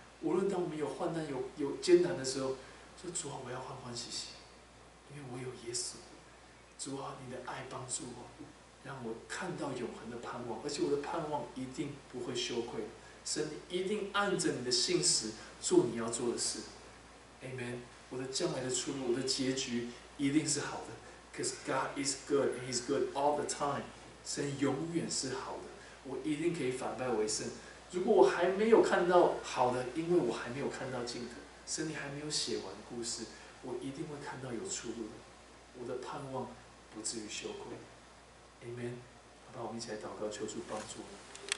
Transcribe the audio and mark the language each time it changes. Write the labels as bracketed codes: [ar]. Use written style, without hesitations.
[zh] 无论当我们有患难、有艰难的时候，说主啊，我要欢欢喜喜，因为我有耶稣。主啊，你的爱帮助我，让我看到永恒的盼望，而且我的盼望一定不会羞愧。神一定按着你的信实做你要做的事。 [en] Amen。 [zh] 我的将来的出路，我的结局一定是好的， [en] Because God is good and He's good all the time。 [zh] 神永远是好的，我一定可以反败为胜。如果我还没有看到好的，因为我还没有看到尽头，神你还没有写完故事，我一定会看到有出路的，我的盼望不至于羞愧。 Amen。 好吧，我们一起来祷告，求主帮助我们。